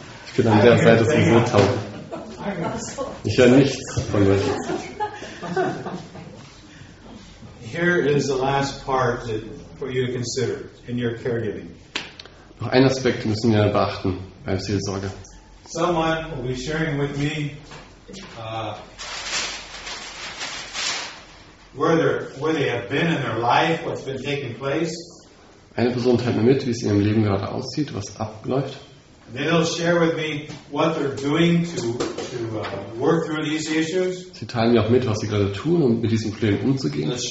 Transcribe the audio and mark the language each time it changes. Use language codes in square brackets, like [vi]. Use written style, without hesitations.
[de] Ich bin an der Seite so taub. Ich höre nichts von euch. [en] Here is the last part that for you to consider in your caregiving. [de] Noch ein Aspekt müssen wir beachten beim Seelsorge. [en] Someone will be sharing with me. Where they have been in their life, what's been taking place. [de] Eine Person teilt mir mit, wie es in ihrem Leben gerade aussieht, was abläuft. Sie teilen mir auch mit, was sie gerade tun, um mit diesem Problem umzugehen.